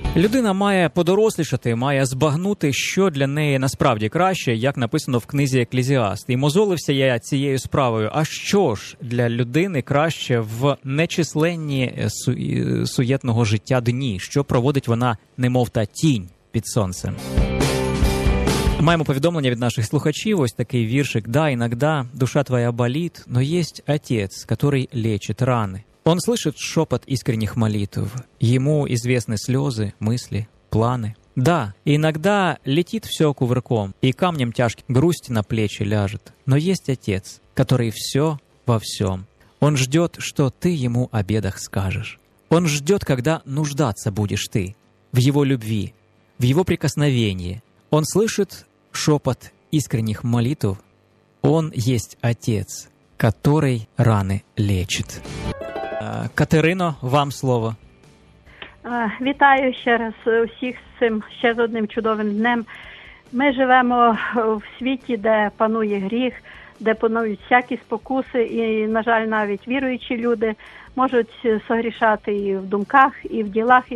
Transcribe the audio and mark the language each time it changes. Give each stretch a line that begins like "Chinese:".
Ukrainian: Людина має подорослішати, має збагнути, що для неї насправді краще, як написано в книзі «Екклезіаст». І мозолився я цією справою, а що ж для людини краще в нечисленні суєтного життя дні, що проводить вона немов та тінь під сонцем. Маємо повідомлення від наших слухачів, ось такий віршик.
Russian: «Да, іногда душа твоя боліт, но єсть отец, который лечит рани». Он слышит шепот искренних молитв, ему известны слезы, мысли, планы. Да, иногда летит все кувырком, и камнем тяжким грусть на плечи ляжет. Но есть Отец, который все во всем. Он ждет, что ты ему о бедах скажешь. Он ждет, когда нуждаться будешь ты в его любви, в его прикосновении. Он слышит шепот искренних молитв, он есть Отец, который раны лечит».
Ukrainian: Катерино, вам слово. Вітаю ще раз усіх з цим ще з одним чудовим днем. Ми живемо в світі, де панує гріх, де панують всякі спокуси, і, на жаль, навіть віруючі люди можуть согрішати і в думках, і в ділах.